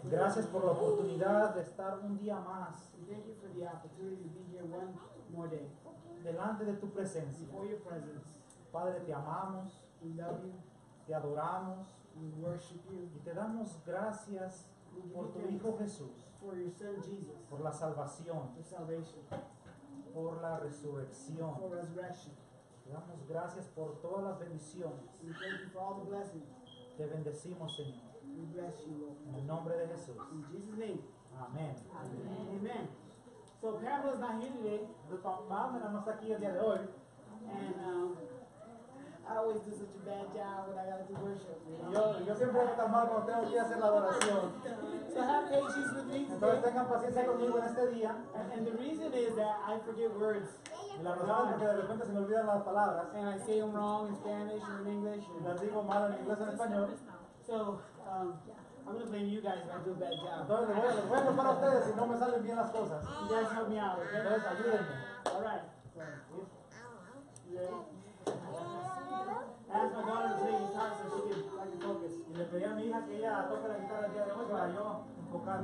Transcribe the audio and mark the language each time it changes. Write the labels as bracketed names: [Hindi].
[Spanish] Gracias por la oportunidad de estar un día más. [English] We thank you for the opportunity to be here one more day. [Spanish] Delante de tu presencia. [English] Before your presence. [Spanish] Padre, te amamos. [English] We love you. [Spanish] Te adoramos. [English] We worship you. [Spanish] Y te damos gracias por tu Hijo Jesús. [English] For your son Jesus. [Spanish] Por la salvación. [English] For salvation. [Spanish] Por la resurrección. [English] For resurrection. [Spanish] Damos gracias por todas las bendiciones. [English] We thank you for all the blessings. [Spanish] Te bendecimos, Señor. [English] We bless you, Lord. [Spanish] En el nombre de Jesús. [English] In Jesus' name. [Spanish] Amén. [English] Amen. Amen. So, Pamela's not here today. [Spanish] The Pamela no está aquí el día de hoy. [English] And I always do such a bad job when I got to worship. [Spanish] Yo siempre hago tan mal cuando tengo que hacer la adoración. [English] So have patience with me. [Spanish] Entonces tengan paciencia conmigo en este día. [English] And the reason is that I forget words. [Spanish] Y la razón es porque de repente se me olvidan las palabras. [English] And I say them wrong in Spanish and in English. [Spanish] Y las digo mal en inglés y en español. [English] So I'm going to blame you guys if I do a bad job. [Spanish] Entonces le voy a culpar a ustedes si no me salen bien las cosas. [English] You guys help me out. Okay? [Spanish] Entonces ayúdenme. [English] All right. So, yeah. Ask my daughter to play guitar so she can focus. [Spanish] Y le pedí a mi hija que ella toque la guitarra el día de hoy para yo enfocar.